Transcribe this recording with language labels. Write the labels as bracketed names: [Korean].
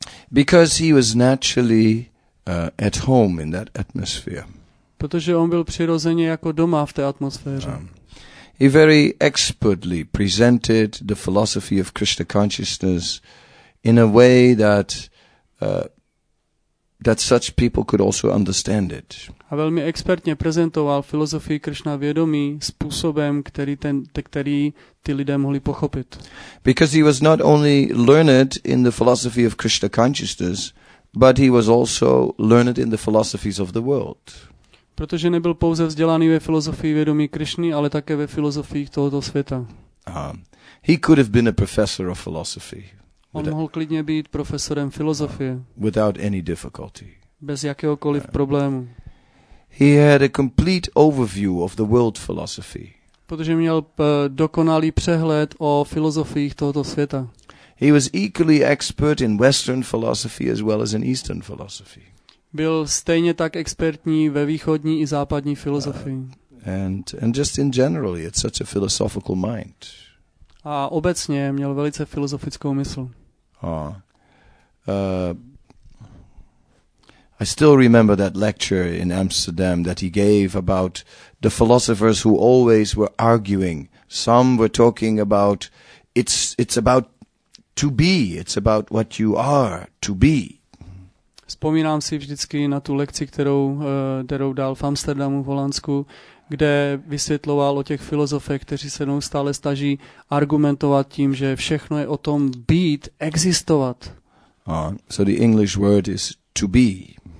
[English] Because he was naturally at home in that atmosphere. [Czech] Protože on byl přirozeně jako doma v té atmosféře. [English] He very expertly presented the philosophy of Krishna consciousness in a way that such people could also understand it. [Czech] A velmi expertně prezentoval filozofii Krishna vědomí způsobem, který ty lidé mohli pochopit. [English] Because he was not only learned in the philosophy of Krishna consciousness, but he was also learned in the philosophies of the world. [Czech] Protože nebyl pouze vzdělaný ve filozofii vědomí Krishny, ale také ve filozofiích tohoto světa. [English] He could have been a professor of philosophy. [Czech] On mohl klidně být profesorem filozofie. [English] Without any difficulty. [Czech] Bez jakéhokoliv problému. [English] He had a complete overview of the world philosophy. [Czech] Protože měl dokonalý přehled o filozofiích tohoto světa. [English] He was equally expert in Western philosophy as well as in Eastern philosophy. [Czech] Byl stejně tak expertní ve východní i západní filozofii. [English] And just in general, he had such a philosophical mind. [Czech] A obecně měl velice filozofickou mysl. [English] I still remember that lecture in Amsterdam that he gave about the philosophers who always were arguing. Some were talking about it's about to be, it's about what you are to be. [Czech] Vzpomínám si vždycky na tu lekci, kterou dal v Amsterdamu v Holandsku, kde vysvětloval o těch filozofech, kteří se neustále snaží argumentovat tím, že všechno je o tom být, existovat. [English] So the English word is to be.